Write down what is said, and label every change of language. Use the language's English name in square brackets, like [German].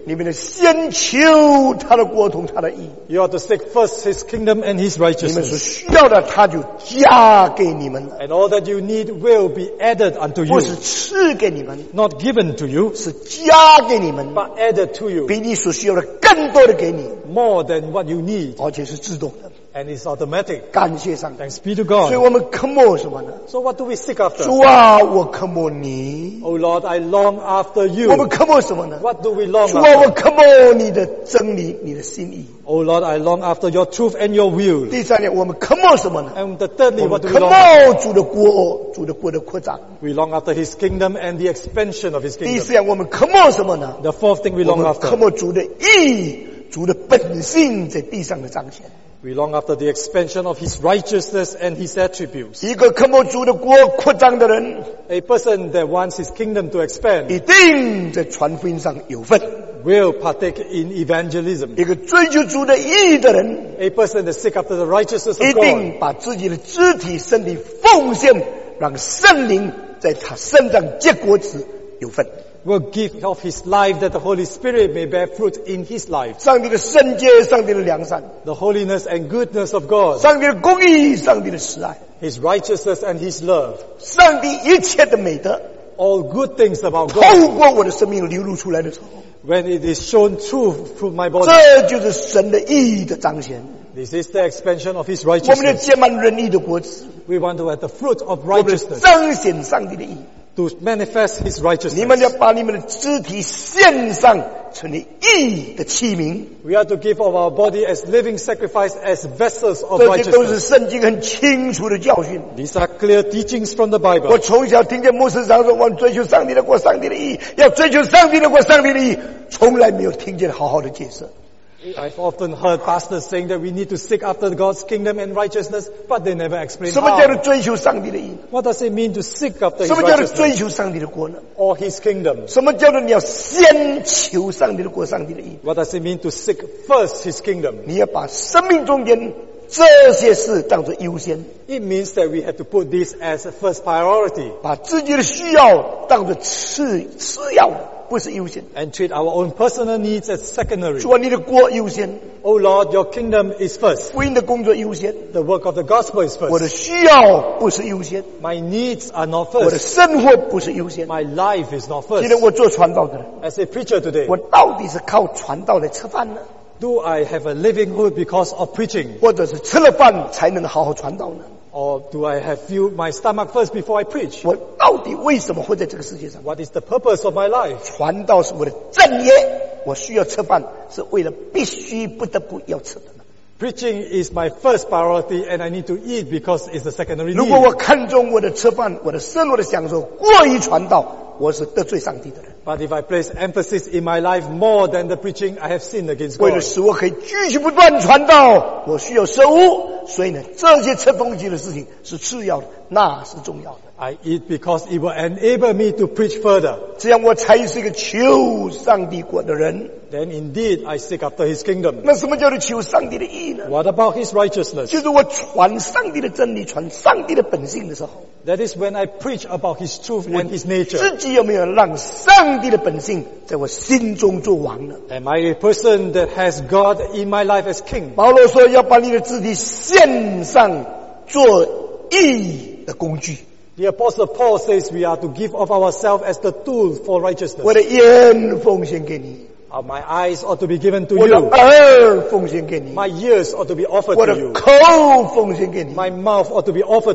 [Chinese] 你们要先求他的国同他的义。 [English] You are to seek first His kingdom and His righteousness. [Chinese] 你们所需要的他就加给你们。 [English] And all that you need will be added unto you. [Chinese] 不是赐给你们。 [English] Not given to you. [Chinese] 是加给你们。 [English] But added to you. [Chinese] 比你所需要的更多的给你。 [English] More than what you need. [Chinese] 而且是自动的。 [English] And it's automatic. [Chinese] 感谢上帝。 [English] Thanks be to God. [Chinese] 所以我们渴慕什么呢？ [English] So what do we seek after? [Chinese] 主啊，我渴慕你。 [English] Oh Lord, I long after you. [Chinese] 我们渴慕什么呢？ [English] What do we long after? [Chinese] 主啊，我渴慕你的真理，你的心意。 [English] Oh Lord, I long after your truth and your will. [Chinese] 第三点，我们渴慕什么呢？ [English] And the thirdly, what do we long after? [Chinese] 我们渴慕主的国，主的国的扩展。 [English] We long after His kingdom and the expansion of His kingdom. [Chinese] 第四点，我们渴慕什么呢？ [English] The fourth thing we long after. [Chinese] 我们渴慕主的义，主的本性在地上的彰显。 [English] We long after the expansion of His righteousness and His attributes. [Chinese] 一个渴慕主的国扩张的人， [English] A person that wants His kingdom to expand, [Chinese] 一定在传福音上有份， [English] Will partake in evangelism. [Chinese] 一个追求主的义的人， [English] A person that seeks after the righteousness of God, [Chinese] 一定把自己的肢体身体奉献，让圣灵在他身上结果子有份。 [English] Will give of his life that the Holy Spirit may bear fruit in his life. [Chinese] 上帝的圣洁，上帝的良善。 [English] The holiness and goodness of God. [Chinese] 上帝的公义，上帝的慈爱。 [English] His righteousness and his love. [Chinese] 上帝一切的美德。 [English] All good things about God. [Chinese] 透过我的生命流露出来的时候。 [English] When it is shown truth through my body. [Chinese] 这就是神的义的彰显。 [English] This is the expansion of his righteousness. [Chinese] 我们要结满仁义的果子。 [English] We want to have the fruit of righteousness. [Chinese] 彰显上帝的义。 [English] To manifest His righteousness. [Chinese] 你们要把你们的肢体献上成义的器皿。 [English] We are to give of our body as living sacrifice as vessels of righteousness. [Chinese] 这些都是圣经很清楚的教训。 [English] These are clear teachings from the Bible. [Chinese] 我从小听见牧师常说，我追求上帝的国，上帝的义，要追求上帝的国，上帝的义，从来没有听见好好的解释。 [English] I've often heard pastors saying that we need to seek after God's kingdom and righteousness, but they never explain how. [Chinese] 什么叫做追求上帝的义？ [English] What does it mean to seek after His righteousness? [Chinese] 什么叫做追求上帝的国呢？ [English] Or His kingdom. [Chinese] 什么叫做你要先求上帝的国，上帝的义？ [English] What does it mean to seek first His kingdom? [Chinese] 你要把生命中间这些事当作优先。 [English] It means that we have to put this as a first priority. [Chinese] 把自己的需要当作次要。不是优先。 [English] And treat our own personal needs as secondary. [Chinese] 主啊，你的国优先。 [English] Oh Lord, your kingdom is first. [Chinese] 福音的工作优先。 [English] The work of the gospel is first. [Chinese] 我的需要不是优先。 [English] My needs are not first. [Chinese] 我的生活不是优先。 [English] My life is not first. [Chinese] 今天我做传道的人。 [English] As a preacher today. [Chinese] 我到底是靠传道来吃饭呢？ [English] Do I have a livelihood because of preaching? [Chinese] 或者是吃了饭才能好好传道呢？ [English] Or do I have filled my stomach first before I preach? [Chinese] 我到底为什么活在这个世界上？ [English] What is the purpose of my life? [Chinese] 传道是我的正业，我需要吃饭是为了必须不得不要吃的。 [English] Preaching is my first priority and I need to eat because it's the secondary need. [Chinese] 如果我看重我的吃饭，我的生活的享受过于传道，我是得罪上帝的人。 [English] But if I place emphasis in my life more than the preaching, I have sinned against God. [Chinese] 为了使我可以继续不断传道，我需要食物，所以呢，这些吃东西的事情是次要的，那是重要的。 [English] I eat because it will enable me to preach further. [Chinese] 这样我才是一个求上帝国的人。 [English] Then indeed I seek after His kingdom. [Chinese] 那什么叫做求上帝的义呢？ [English] What about His righteousness? [Chinese] 就是我传上帝的真理，传上帝的本性的时候。 [English] That is when I preach about His truth and His nature. [Chinese] 自己有没有让上帝的本性在我心中做王呢？ [English] Am I a person that has God in my life as king? [Chinese] 保罗说要把你的肢体献上做义的工具。 [English] The Apostle Paul says we are to give of ourselves as the tool for righteousness. [Chinese] 我的一切奉献给你。 [English] Or my eyes ought to be given to [Chinese] 我的耳奉献给你, [English] you. My ears ought to be offered [Chinese] 我的口奉献给你, [English] to you. My mouth ought to be offered